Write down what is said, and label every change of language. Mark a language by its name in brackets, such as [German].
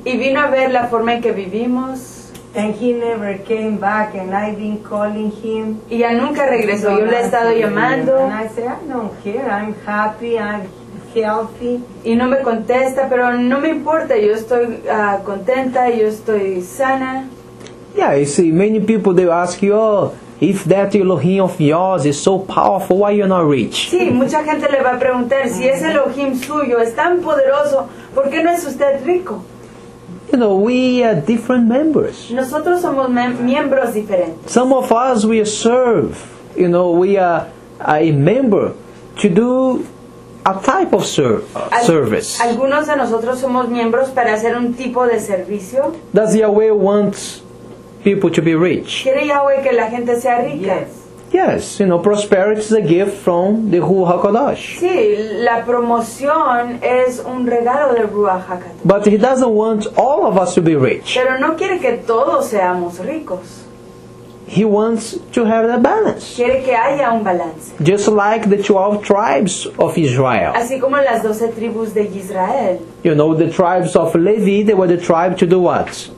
[Spanish] Y vino a ver la forma en que vivimos. [English] And he never came back, and I've been calling him. [Spanish] Y ya nunca regresó. Yo le he estado llamando. [English] And I say, I don't care. I'm happy. I'm healthy. [Spanish] Y no me contesta, pero no me importa. Yo estoy contenta. Yo estoy sana. [English] Yeah, you see, many people they ask you, oh, if that Elohim of yours is so powerful, why you're not rich? [Spanish] Sí, mucha gente le va a preguntar si ese Elohim suyo es tan poderoso, ¿por qué no es usted rico? [English] You know, we are different members. [Spanish] Nosotros somos miembros diferentes. [English] Some of us we serve. You know, we are a member to do a type of service. [Spanish] Algunos de nosotros somos miembros para hacer un tipo de servicio. [English] Does Yahweh want people to be rich? [Spanish] ¿Quiere Yahweh que la gente sea rica? [English] Yes. Yes, you know, prosperity is a gift from the Ruach HaKadosh. [Spanish] Sí, la promoción es un regalo del Ruach HaKadosh. [English] But he doesn't want all of us to be rich. [Spanish] Pero no quiere que todos seamos ricos. [English] He wants to have a balance. [Spanish] Quiere que haya un balance. [English] Just like the 12 tribes of Israel. [Spanish] Así como las 12 tribus de Israel. [English] You know, the tribes of Levi, they were the tribe to do what?